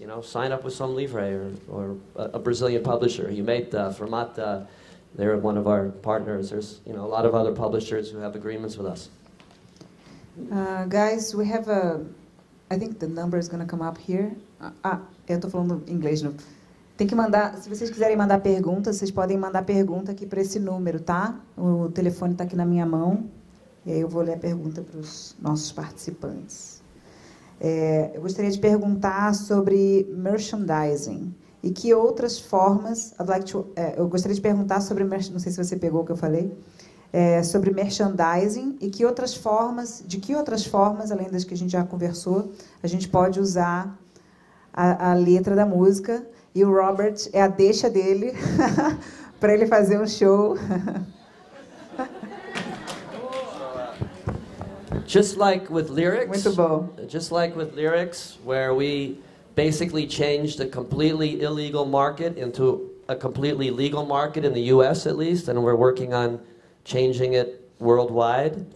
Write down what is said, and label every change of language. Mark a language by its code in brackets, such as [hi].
[en] You know, sign up with some livre or a Brazilian publisher. Humeita, Formata, they're one of our partners. There's, you know, a lot of other publishers who have agreements with us. Guys, we have a. I think the number is going to come up here. [pt] Eu tô falando inglês, não. Tem que mandar. Se vocês quiserem mandar perguntas, vocês podem mandar pergunta aqui para esse número, tá? O telefone está aqui na minha mão. E aí eu vou ler a pergunta para os nossos participantes. Eu gostaria de perguntar sobre merchandising e que outras formas. Eu gostaria de perguntar sobre. Não sei se você pegou o que eu falei. Sobre merchandising e que outras formas. De que outras formas, além das que a gente já conversou, a gente pode usar a letra da música. E o Robert é a deixa dele para ele fazer um show. [en] Just like with lyrics, where we basically changed a completely illegal market into a completely legal market in the U.S. at least, and we're working on changing it worldwide.